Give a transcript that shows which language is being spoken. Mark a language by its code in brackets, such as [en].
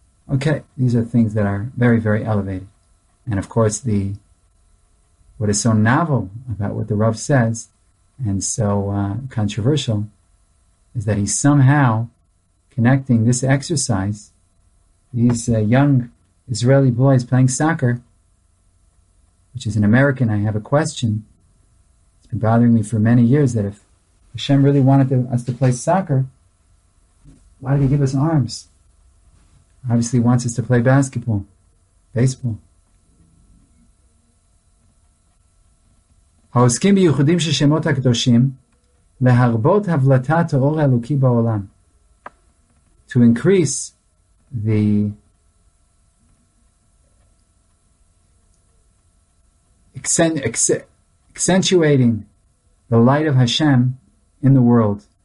[en] Okay, these are things that are very, very elevated. And of course, the what is so novel about what the Rav says and so controversial is that he's somehow connecting this exercise, these young Israeli boys playing soccer, which is an American, I have a question. It's been bothering me for many years that if Hashem really wanted us to play soccer, why did he give us arms? Obviously he wants us to play basketball, baseball. [he] העוסקים בייחודים של שמות הקדושים להרבות הבלטת האור האלוקי בעולם. [en] To increase the accentuating the light of Hashem in the world.